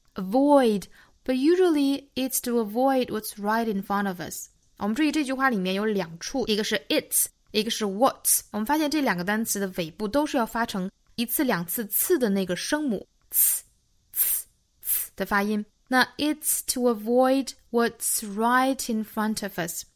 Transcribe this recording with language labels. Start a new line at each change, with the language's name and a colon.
English: Avoid, but usually it's to avoid what's right in front of us.
Chinese: 我们注意这句话里面有两处，一个是 it's, 一个是 what's。我们发现这两个单词的尾部都是要发成一次两次次的那个声母 ,ts 的发音。
English: 那 it's to avoid what's right in front of us.